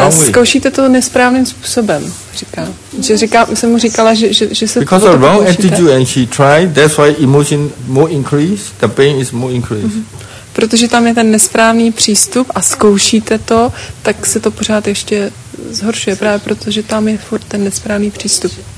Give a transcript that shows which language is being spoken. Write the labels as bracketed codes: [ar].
[cs] Zkoušíte to nesprávným způsobem, říká. Jsem mu říkala, že se [en] because of wrong attitude and she tried, that's why emotion more increase, the pain is more increase. Mm-hmm. [cs] Protože tam je ten nesprávný přístup a zkoušíte to, tak se to pořád ještě zhoršuje, právě protože tam je furt ten nesprávný přístup.